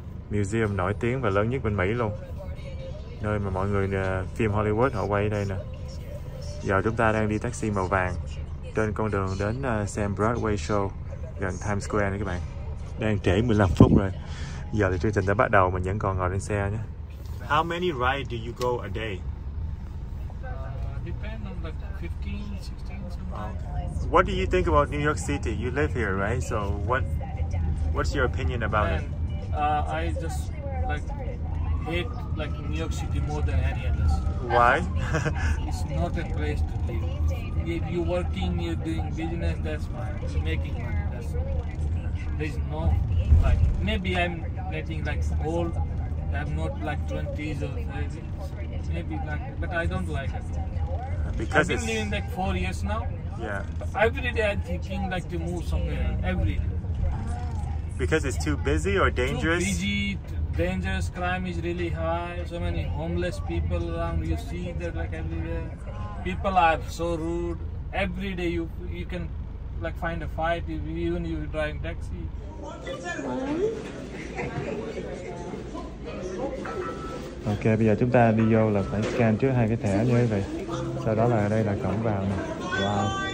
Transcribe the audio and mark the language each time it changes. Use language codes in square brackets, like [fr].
[vi] Museum nổi tiếng và lớn nhất bên Mỹ luôn. Nơi mà mọi người phim Hollywood họ quay đây nè. Giờ chúng ta đang đi taxi màu vàng trên con đường đến xem Broadway show gần Times Square nè các bạn. Đang trễ 15 phút rồi. Giờ thì chương trình đã bắt đầu, mình vẫn còn ngồi trên xe nhé. [en] How many rides do you go a day? Depend on like 15, 16. Okay. What do you think about New York City? You live here, right? So what's your opinion about it? I just hate New York City more than any others. Why? It's not a place to live. If you're working, you're doing business, that's fine. You're making money, that's fine. There's no, maybe I'm getting old. I'm not 20s or 30. Maybe but I don't like it. Because I've been living 4 years now. Yeah. Every day I'm thinking to move somewhere. Every day. Because it's too busy or dangerous? Too busy. Dangerous, crime is really high, so many homeless people around, you see that everywhere. People are so rude. Every day you can find a fight even if you're driving taxi. [vi] Ok, bây giờ chúng ta đi vô là phải scan trước 2 cái thẻ như thế vậy. Sau đó là đây là cổng vào nè. Wow.